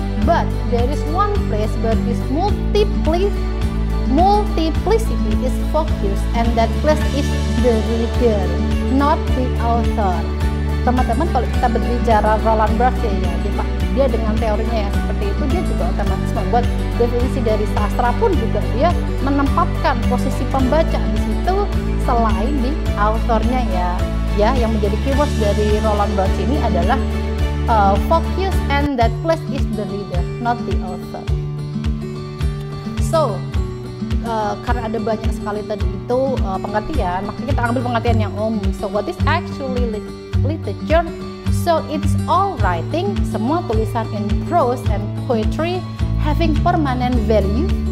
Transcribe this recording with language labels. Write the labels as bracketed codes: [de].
[en] But there is one place where this multiplicity is focused, and that place is the reader, not the author. [id] Teman-teman, kalau kita berbicara Roland Barthes ya, dia dengan teorinya ya seperti itu, dia juga otomatis membuat definisi dari sastra pun juga dia menempatkan posisi pembaca di situ selain di authornya ya. [en] Ya, yang menjadi keywords dari Roland Barthes ini adalah focus and that place is the reader, not the author. [id] So, karena ada banyak sekali tadi itu pengertian, maka kita ambil pengertian yang umum. [en] So, what is actually literature? So, it's all writing, semua tulisan in prose and poetry having permanent value.